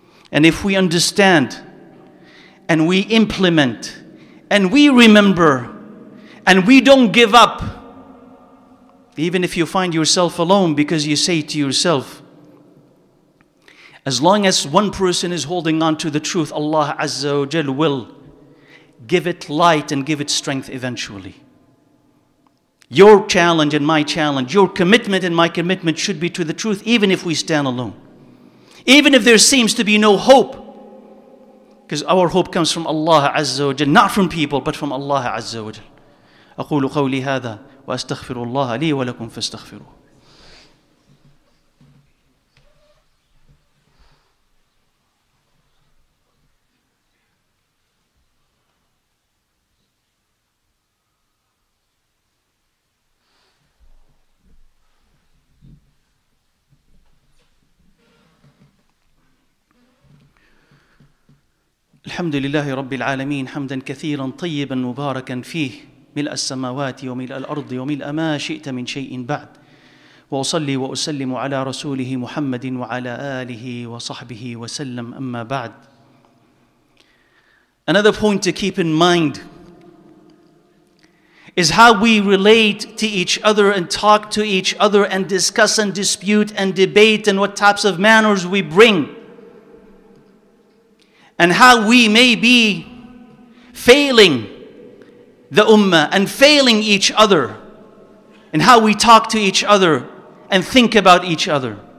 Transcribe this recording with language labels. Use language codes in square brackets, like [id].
[en] And if we understand and we implement and we remember and we don't give up, even if you find yourself alone, because you say to yourself, as long as one person is holding on to the truth, Allah Azza wa Jal will give it light and give it strength eventually. Your challenge and my challenge, your commitment and my commitment should be to the truth, even if we stand alone. Even if there seems to be no hope, because our hope comes from Allah Azza wa Jal, not from people, but from Allah Azza wa Jal. [ar] أقول قولي هذا وأستغفر الله لي ولكم فاستغفروه. الحمد لله رب العالمين حمدا كثيرا طيبا مباركا فيه ملء السماوات وملء الأرض وملء ما شئت من شيء بعد وأصلي وأسلم على رسوله محمد وعلى آله وصحبه وسلم أما بعد. [en] Another point to keep in mind is how we relate to each other and talk to each other and discuss and dispute and debate and what types of manners we bring. And how we may be failing the ummah and failing each other, and how we talk to each other and think about each other.